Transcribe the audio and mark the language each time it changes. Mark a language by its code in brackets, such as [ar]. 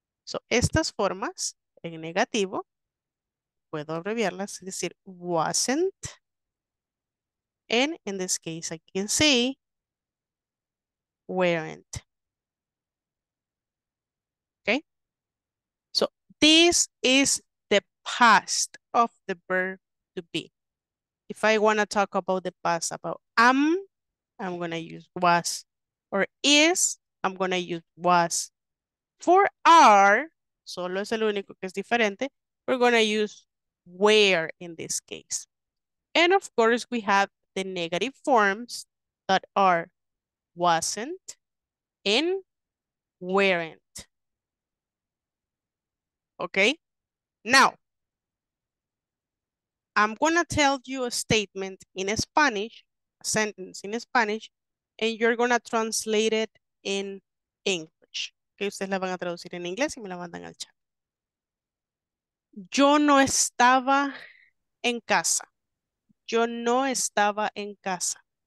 [es] So, estas formas, en negativo, puedo abreviarlas, es decir, wasn't. [en] And in this case, I can say, weren't. Okay? So, this is the past of the verb to be. If I want to talk about the past, about am, I'm going to use was. Or is, I'm going to use was. For are, [es] solo es el único que es diferente, [en] we're going to use where in this case. And of course, we have the negative forms that are wasn't and weren't. Okay? Now, I'm going to tell you a statement in Spanish, a sentence in Spanish, and you're going to translate it in English. [es] Que ustedes la van a traducir en inglés y me la mandan al chat. Yo no estaba en casa. Yo no estaba en casa.